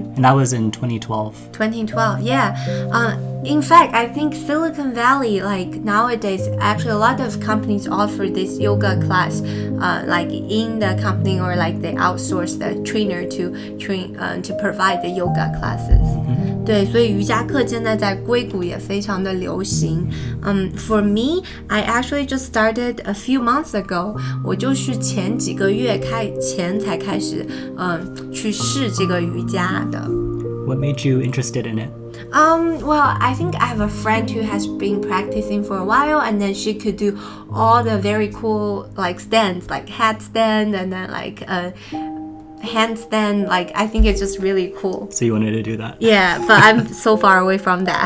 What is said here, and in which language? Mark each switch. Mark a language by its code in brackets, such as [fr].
[en] And that was in 2012. Yeah. In fact, I think Silicon Valley, like nowadays, actually a lot of companies offer this yoga class, like in the company, or like they outsource the trainer to train, to provide the yoga classes. [zh] 对，所以瑜伽课现在在硅谷也非常的流行。 [en] For me, I actually just started a few months ago. [zh] 我就是前几个月前才开始，去试这个瑜伽的。 [en] What made you interested in it? Well, I think I have a friend who has been practicing for a while, and then she could do all the very cool like stands, like headstand, and then like a handstand. Like, I think it's just really cool. So you wanted to do that? Yeah, but I'm so far away from that.